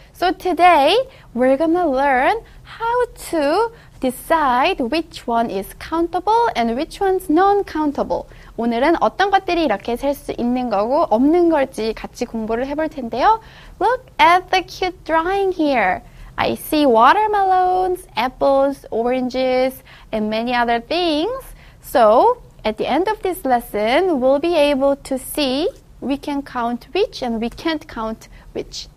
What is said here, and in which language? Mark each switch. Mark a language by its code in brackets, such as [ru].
[en] So today, we're gonna learn how to decide which one is countable and which one's non-countable. [ko] 오늘은 어떤 것들이 이렇게 셀 수 있는 거고 없는 걸지 같이 공부를 해볼 텐데요. [en] Look at the cute drawing here. I see watermelons, apples, oranges, and many other things. So, at the end of this lesson, we'll be able to see we can count which and we can't count which.